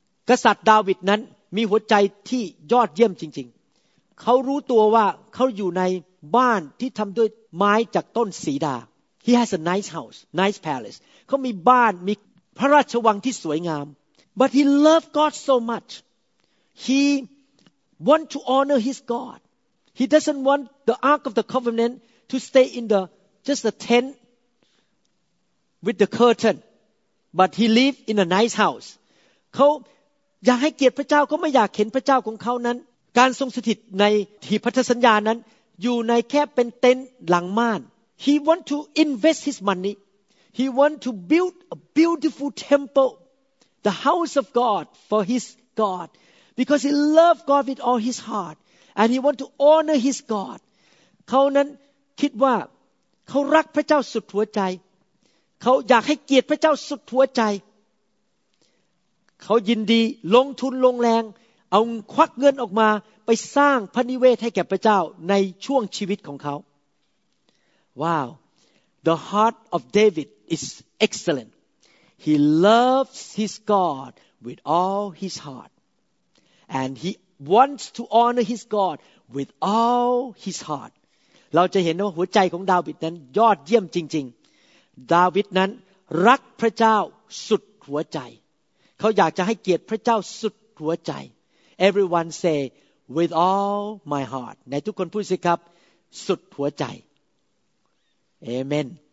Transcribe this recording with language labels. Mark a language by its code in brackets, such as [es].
[th] กษัตริย์ดาวิดนั้นมีหัวใจที่ยอดเยี่ยมจริงๆเขารู้ตัวว่าเขาอยู่ในบ้านที่ทำด้วยไม้จากต้นสีดา [en] He has a nice house, nice palace. [th] เขามีบ้านมีพระราชวังที่สวยงาม [en] But he loved God so much. He want to honor his God. He doesn't want the Ark of the Covenant to stay in the just a tent with the curtain. But he live in a nice house. [th] เขาอยากให้เกียรติพระเจ้าเขาไม่อยากเห็นพระเจ้าของเขานั้นการทรงสถิตในที่พันธสัญญานั้นอยู่ในแค่เป็นเต็นท์หลังม่าน [en] He want to invest his money. He want to build a beautiful temple, the house of God for his God, because he love God with all his heart, and he want to honor his God. [th] เขานั้นคิดว่าเขารักพระเจ้าสุดหัวใจเขาอยากให้เกียรติพระเจ้าสุดหัวใจเขายินดีลงทุนลงแรงเอาควักเงินออกมาไปสร้างพระนิเวศให้แก่พระเจ้าในช่วงชีวิตของเขาว้าว [en] The heart of David is excellent. He loves his God with all his heart. And he wants to honor his God with all his heart. [th] เราจะเห็นว่าหัวใจของดาวิดนั้นยอดเยี่ยมจริงๆดาวิดนั้นรักพระเจ้าสุดหัวใจเขาอยากจะให้เกียรติพระเจ้าสุดหัวใจ [en] Everyone say with all my heart [th] ในทุกคนพูดสิครับสุดหัวใจ [en] Amen